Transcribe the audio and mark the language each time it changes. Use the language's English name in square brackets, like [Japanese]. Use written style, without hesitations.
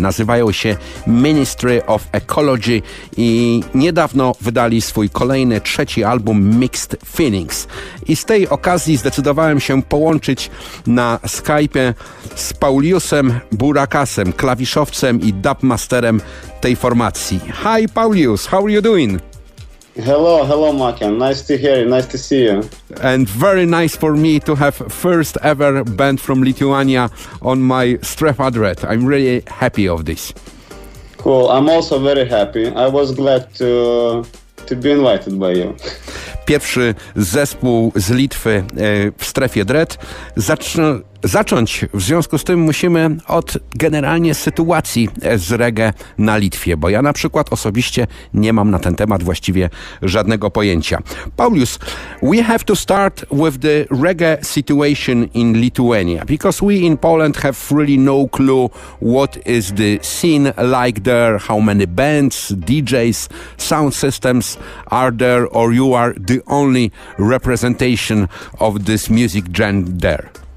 [Polish] Nazywają się [English] Ministry of Ecology [Polish] i niedawno wydali swój kolejny, trzeci album [English] Mixed Feelings. [Polish] I z tej okazji zdecydowałem się połączyć na Skype'ie z Pauliusem Burakasem, klawiszowcem i dubmasterem tej formacji. [English] Hi Paulius, how are you doing? Hello, Makian. Nice to hear you. Nice to see you. And very nice for me to have first ever band from Lithuania on my Strefa Dread. I'm really happy of this. Cool. I'm also very happy. I was glad to be invited by you. [Polish] Pierwszy zespół z Litwy w Strefie Dread. Zacząć w związku z tym musimy od generalnie sytuacji z reggae na Litwie, bo ja na przykład osobiście nie mam na ten temat właściwie żadnego pojęcia. [English] Paulius, we have to start with the reggae situation in Lithuania, because we in Poland have really no clue what is the scene like there, how many bands, DJs, sound systems are there, or you are the only representation of this music genre there.